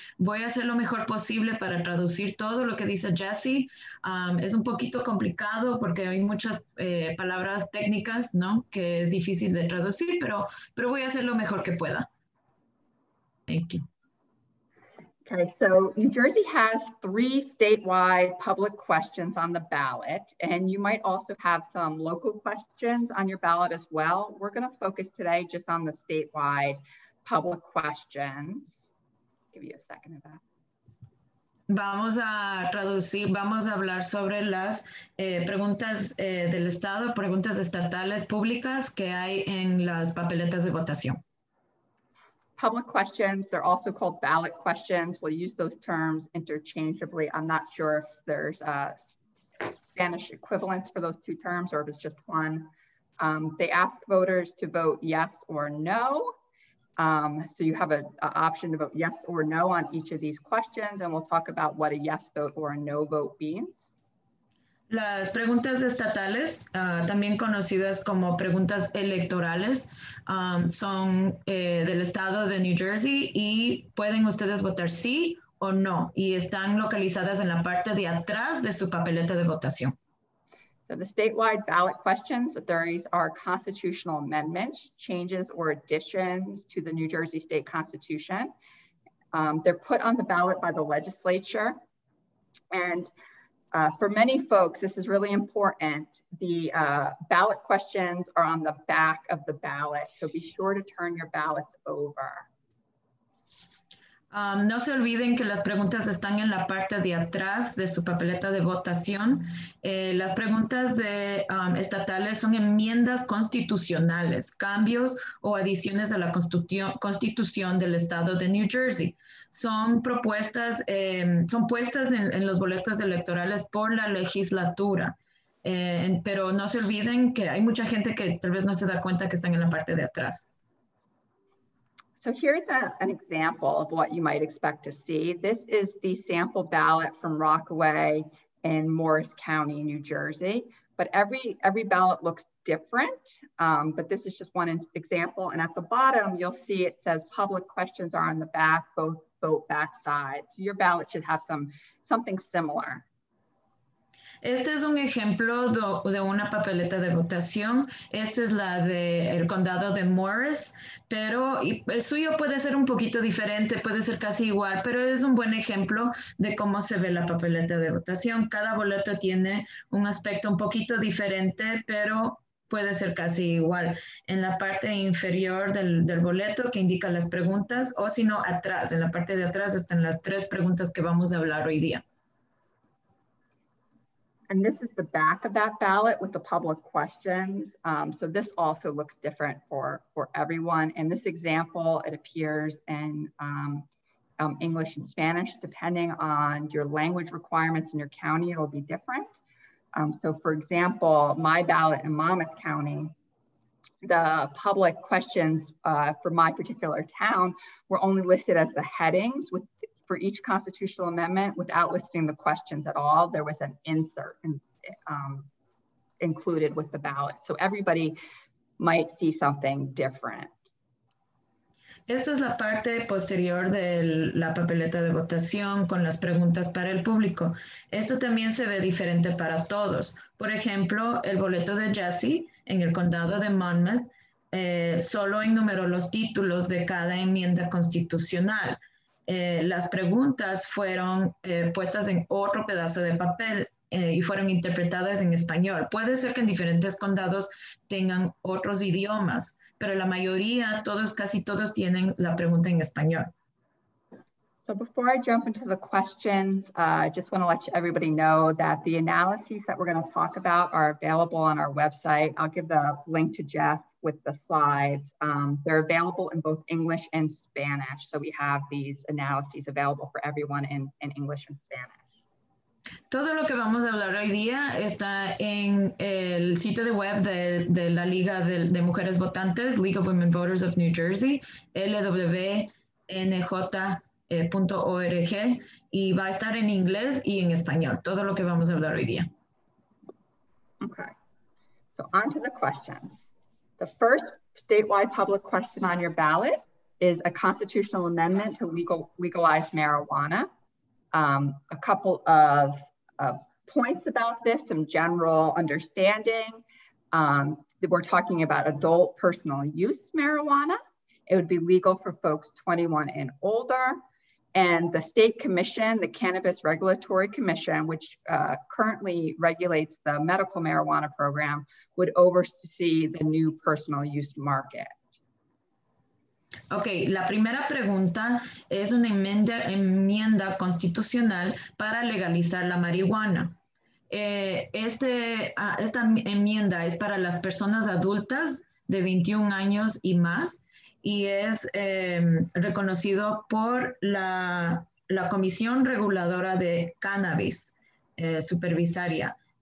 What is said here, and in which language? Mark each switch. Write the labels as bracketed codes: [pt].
[es] Voy a hacer lo mejor posible para traducir todo lo que dice Jesse. Es un poquito complicado porque hay muchas palabras técnicas, ¿no? Que es difícil de traducir, pero voy a hacer lo mejor que pueda. [en] Thank you. Okay, so New Jersey has three statewide public questions on the ballot, and you might also have some local questions on your ballot as well. We're going to focus today just on the statewide public questions. Give you a second of that. [es] Vamos a traducir, vamos a hablar sobre las preguntas del Estado, preguntas estatales públicas que hay en las papeletas de votación. [en] Public questions, they're also called ballot questions. We'll use those terms interchangeably. I'm not sure if there's a Spanish equivalent for those two terms or if it's just one. They ask voters to vote yes or no. So you have an option to vote yes or no on each of these questions, and we'll talk about what a yes vote or a no vote means. [es] Las preguntas estatales, también conocidas como preguntas electorales, son del estado de New Jersey y pueden ustedes votar sí o no. Y están localizadas en la parte de atrás de su papeleta de votación. [en] So the statewide ballot questions, the 30s are constitutional amendments, changes or additions to the New Jersey state constitution. They're put on the ballot by the legislature. And for many folks, this is really important. The ballot questions are on the back of the ballot, so be sure to turn your ballots over. [es] No se olviden que las preguntas están en la parte de atrás de su papeleta de votación. Las preguntas de estatales son enmiendas constitucionales, cambios o adiciones a la constitución del estado de New Jersey. Son propuestas, son puestas en los boletos electorales por la legislatura. Pero no se olviden que hay mucha gente que tal vez no se da cuenta que están en la parte de atrás. [en] So here's an example of what you might expect to see. This is the sample ballot from Rockaway in Morris County, New Jersey. But every ballot looks different, but this is just one example. And at the bottom, you'll see it says public questions are on the back, both vote back sides. So your ballot should have something similar. [es] Este es un ejemplo de una papeleta de votación. Esta es la del condado de Morris, pero el suyo puede ser un poquito diferente, puede ser casi igual, pero es un buen ejemplo de cómo se ve la papeleta de votación. Cada boleto tiene un aspecto un poquito diferente, pero puede ser casi igual. En la parte inferior del boleto que indica las preguntas, o si no, atrás, en la parte de atrás están las tres preguntas que vamos a hablar hoy día. [en] And this is the back of that ballot with the public questions. So this also looks different for everyone. In this example, it appears in English and Spanish, depending on your language requirements in your county, it will be different. So for example, my ballot in Monmouth County, the public questions for my particular town were only listed as the headings for each constitutional amendment without listing the questions at all. There was an insert included with the ballot. So everybody might see something different. [es] Esta es la parte posterior de la papeleta de votación con las preguntas para el público. Esto también se ve diferente para todos. Por ejemplo, el boleto de Jesse en el condado de Monmouth solo enumeró los títulos de cada enmienda constitucional. Las preguntas fueron puestas en otro pedazo de papel y fueron interpretadas en español. Puede ser que en diferentes condados tengan otros idiomas, pero la mayoría, todos, casi todos, tienen la pregunta en español. [en] So before I jump into the questions, I just want to let everybody know that the analyses that we're going to talk about are available on our website. I'll give the link to Jeff with the slides. They're available in both English and Spanish. So we have these analyses available for everyone in English and Spanish. [es] Todo lo que vamos a hablar hoy día está en el sitio de web de la Liga de Mujeres Votantes, League of Women Voters of New Jersey, LWNJ.org, y va a estar en inglés y en español, todo lo que vamos a hablar hoy día. [en] Okay, so on to the questions. The first statewide public question on your ballot is a constitutional amendment to legalize marijuana. A couple of points about this, some general understanding. We're talking about adult personal use marijuana. It would be legal for folks 21 and older. And the state commission, the Cannabis Regulatory Commission, which currently regulates the medical marijuana program, would oversee the new personal use market. [es] Okay, la primera pregunta es una enmienda constitucional para legalizar la marihuana. Esta enmienda es para las personas adultas de 21 años y más, y es reconocido por la Comisión Reguladora de Cannabis Supervisaria.